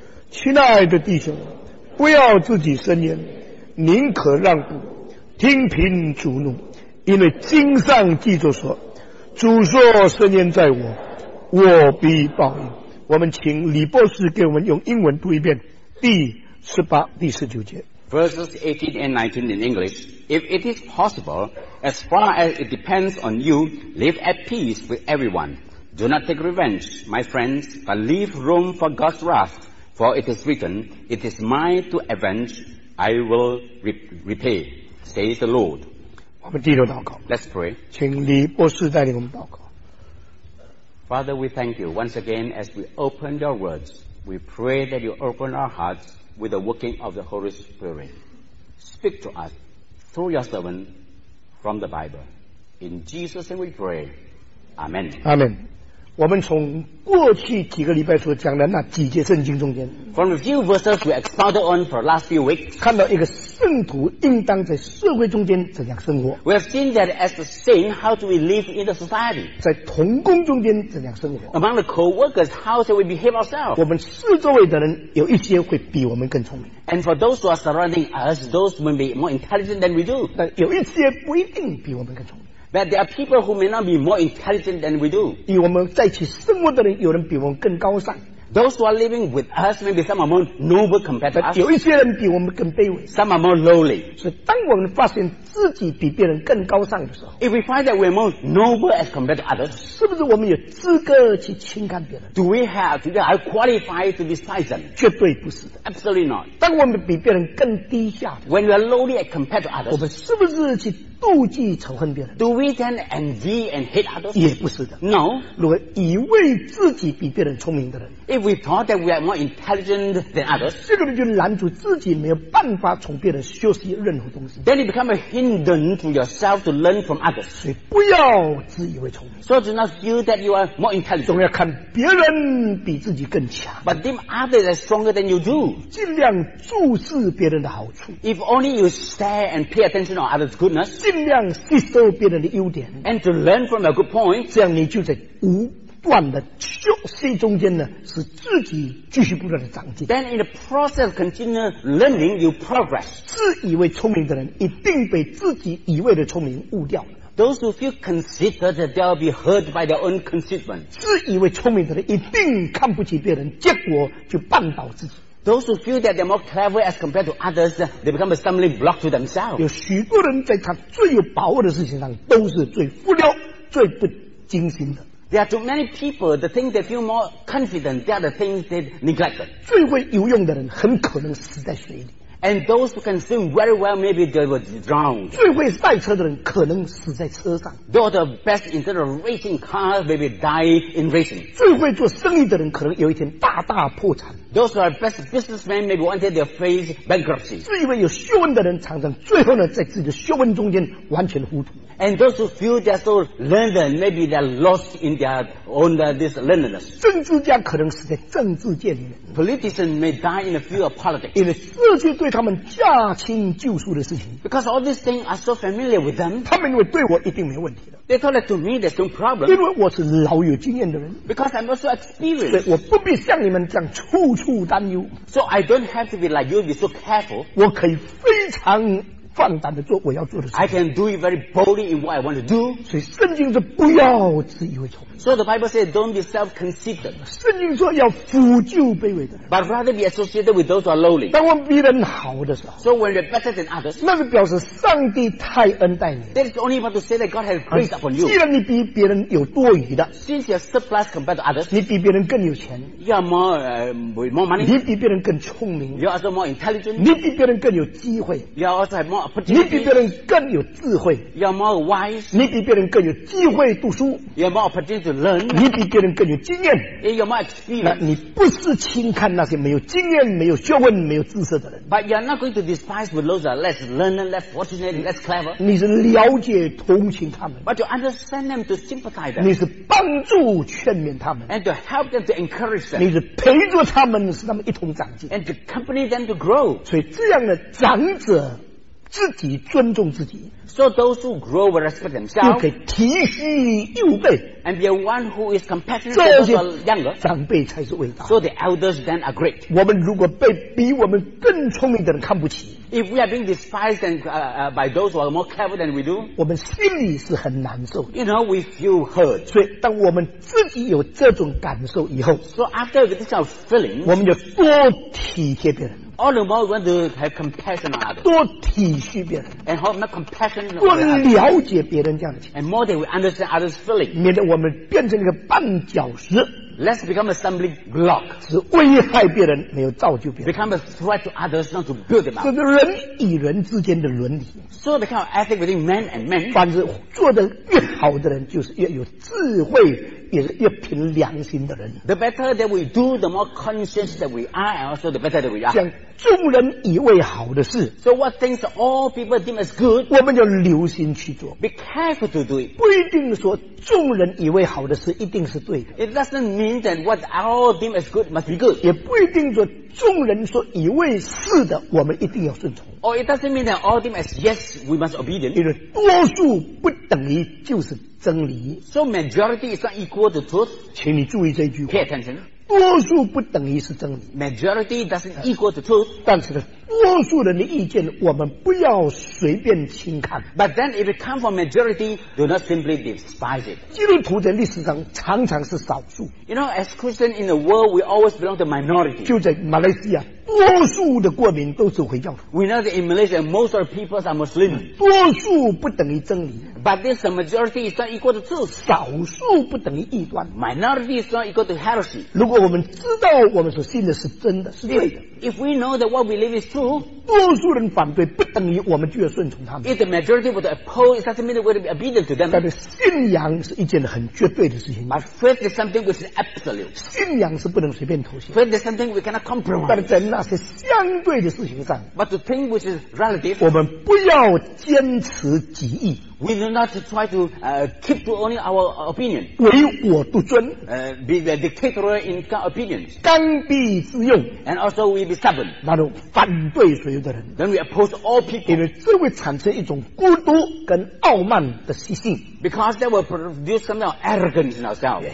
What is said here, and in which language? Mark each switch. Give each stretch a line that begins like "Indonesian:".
Chinese: 亲爱的弟兄，不要自己伸冤，宁可让步，听凭主怒，因为经上记着说，主说伸冤在我，我必报应。我们请李博士给我们用英文读一遍第十八、第十九节。
English: Verses 18 and 19 in English. If it is possible, as far as it depends on you, live at peace with everyone. Do not take revenge, my friends, but leave room for God's wrath. For it is written, it is mine to avenge, I will repay, says the Lord.
Chinese: 我们低头祷告。
English: Let's pray.
Chinese: 请李博士带领我们祷告。
English: Father, we thank you once again as we open your words. We pray that you open our hearts with the working of the Holy Spirit. Speak to us through your servant from the Bible. In Jesus' name we pray. Amen. Amen.
Chinese: 我们从过去几个礼拜所讲的那几节圣经中间
English: From the few verses we expounded on for the last few weeks,
Chinese: 看到一个圣徒应当在社会中间怎样生活
English: We have seen that as a saint, how do we live in the society?
Chinese: 在同工中间怎样生活
English: Among the co-workers, how do we behave ourselves?
Chinese: 我们四周围的人有一些会比我们更聪明
English: And for those who are surrounding us, those may be more intelligent than we do.
Chinese: 但有一些不一定比我们更聪明
English: But there are people who may not be more intelligent than we do.
Chinese: 与我们在一起生活的人，有人比我们更高尚。
English: Those who are living with us may be some are more noble compared to us.
Chinese: 有一些人比我们更卑微。
English: Some are more lowly.
Chinese: 所以，当我们发现自己比别人更高尚的时候
English: ，If we find that we're more noble as compared to others,
Chinese: 是不是我们有资格去轻看别人
English: ？Do we have to be qualified to despise them?
Chinese: 绝对不是的
English: ，Absolutely not.
Chinese: 当我们比别人更低下
English: ，When we are lowly as compared to others,
Chinese: 我们是不是去？妒忌仇恨别人
English: Do we then envy and hate others?
Chinese: 也不是的
English: No
Chinese: 如果以为自己比别人聪明的人
English: If we thought that we are more intelligent than others
Chinese: 这个人就拦住自己没有办法从别人学习任何东西
English: Then you become a hindrance to yourself to learn from others
Chinese: 所以不要自以为聪明
English: So do not feel that you are more intelligent
Chinese: 总要看别人比自己更强
English: But deem others as stronger than you do
Chinese: 尽量注视别人的好处
English: If only you stare and pay attention to others' goodness
Chinese: 尽量吸收别人的优点
English: ，and to learn from a good point，
Chinese: 这样你就在无断的学习中间呢，使自己继续不断的长进。
English: Then in the process of continuing learning, you progress。
Chinese: 自以为聪明的人一定被自己以为的聪明误掉。
English: Those who feel conceited, they'll be hurt by their own conceitment。
Chinese: 自以为聪明的人一定看不起别人，结果就绊倒自己。
English: Those who feel that they're more clever as compared to others, they become a stumbling block to themselves.
Chinese: 有许多人在他最有把握的事情上都是最忽略、最不精心的。
English: There are too many people, the things they feel more confident, they are the things they neglect.
Chinese: 最会游泳的人很可能死在水里。
English: And those who can swim very well, maybe they were drowned.
Chinese: 最会赛车的人可能死在车上。
English: Those the best in terms of racing cars, maybe die in racing.
Chinese: 最会做生意的人可能有一天大大破产。
English: Those who are best businessmen, maybe one day they face bankruptcy.
Chinese: 自以为有学问的人常常最后呢，在自己的学问中间完全糊涂。
English: And those who feel they are so learned, maybe they are lost in their own this learnedness.
Chinese: 政治家可能死在政治界里面。
English: Politicians may die in the field of politics.
Chinese: 因为社区对他们驾轻就熟的事情
English: ，because all these things are so familiar with them，
Chinese: 他们认为对我一定没问题的。
English: They thought that to me there's no problem，
Chinese: 因为我是老有经验的人
English: ，because I'm also experienced，
Chinese: 所以我不必像你们这样处处担忧。
English: So I don't have to be like you be so careful，
Chinese: 我可以非常放胆的做我要做的事情。
English: I can do it very boldly in what I want to do，
Chinese: 所以圣经说不要自以为聪明。
English: So the Bible says don't be self-conceited.
Chinese: 圣经说要俯就卑微的人。
English: But rather be associated with those who are lowly.
Chinese: 当我们比人好的时候。
English: So when you're better than others.
Chinese: 那个表示上帝太恩待你。
English: That is only about to say that God has grace upon you.
Chinese: 既然你比别人有多余的。
English: Since you're surplus compared to others.
Chinese: 你比别人更有钱。
English: You are more money.
Chinese: 你比别人更聪明。
English: You are also more intelligent.
Chinese: 你比别人更有机会。
English: You also have more more opportunities.
Chinese: 你比别人更有智慧。
English: You're more wise.
Chinese: 你比别人更有机会读书。
English: You're more opportunity to learn.
Chinese: 你比别人更有经验。
English: You're more experience.
Chinese: 你不是轻看那些没有经验、没有学问、没有知识的人。
English: But you're not going to despise with those that are less learned, less fortunate, less clever.
Chinese: 你是了解、同情他们。
English: But you understand them to sympathize them.
Chinese: 你是帮助、劝勉他们。
English: And to help them to encourage them.
Chinese: 你是陪着他们，使他们一同长进。
English: And to accompany them to grow.
Chinese: 所以这样的长者自己尊重自己
English: ，so those who grow will respect themselves，
Chinese: 又可以提携幼辈
English: ，and be one who is compassionate to the younger，
Chinese: 长辈才是伟大
English: ，so the elders then are great。
Chinese: 我们如果被比我们更聪明的人看不起
English: ，if we are being despised and by those who are more clever than we do，
Chinese: 我们心里是很难受
English: ，you know we feel hurt。
Chinese: 所以当我们自己有这种感受以后
English: ，so after this kind of feeling，
Chinese: 我们就多体贴别人。
English: All the more we want to have compassion on others.
Chinese: 多体恤别人
English: and have more compassion on others.
Chinese: 多了解别人这样的情况
English: and more than we understand others' feeling.
Chinese: 免得我们变成一个绊脚石
English: Let's become a stumbling block.
Chinese: 是危害别人，没有造就别人
English: Become a threat to others, not to build them up.
Chinese: 是人与人之间的伦理
English: So the kind of ethic between men and men.
Chinese: 反之，做得越好的人，就是越有智慧。也是越凭良心的人
English: The better that we do The more conscious that we are And also the better that we are
Chinese: 像众人以为好的事
English: So what things all people deem as good
Chinese: 我们就留心去做
English: Be careful to do it
Chinese: 不一定说众人以为好的事一定是对的
English: It doesn't mean that what all deem as good must be good
Chinese: 也不一定说众人所以为是的我们一定要顺从
English: Or it doesn't mean that all deem as yes We must obedient
Chinese: 因为多数不等于就是真理
English: So majority is not equal to truth
Chinese: 请你注意这句话
English: Pay attention
Chinese: 多数不等于是真理
English: Majority doesn't equal to truth
Chinese: 但是多数人的意见我们不要随便轻看
English: But then if it comes from majority Do not simply despise it
Chinese: 基督徒在历史上常常是少数
English: You know as Christians in the world We always belong to minority
Chinese: 就在马来西亚多数的国民都是回教徒
English: We know that in Malaysia most of the people are Muslim
Chinese: 多数不等于真理
English: But this majority is not equal to truth
Chinese: 少数不等于异端
English: Minority is not equal to heresy
Chinese: 如果我们知道我们所信的是真的是对的
English: If we know that what we believe is true
Chinese: 多数人反对不等于我们就要顺从他们
English: If the majority would oppose it doesn't mean that we would be obedient to them
Chinese: 但是信仰是一件很绝对的事情
English: But faith is something which is absolute
Chinese: 信仰是不能随便妥协
English: Faith is something we cannot compromise
Chinese: 是相对的事情上
English: But the thing which is relative,
Chinese: 我们不要坚持己意
English: We do not try to keep to only our opinion
Chinese: 唯我独尊
English: Be the dictator in opinions
Chinese: 刚愎自用
English: And also we be stubborn
Chinese: 那种反对所有的人
English: Then we oppose all people
Chinese: 因为这会产生一种孤独跟傲慢的习性
English: Because that will produce some arrogance in ourselves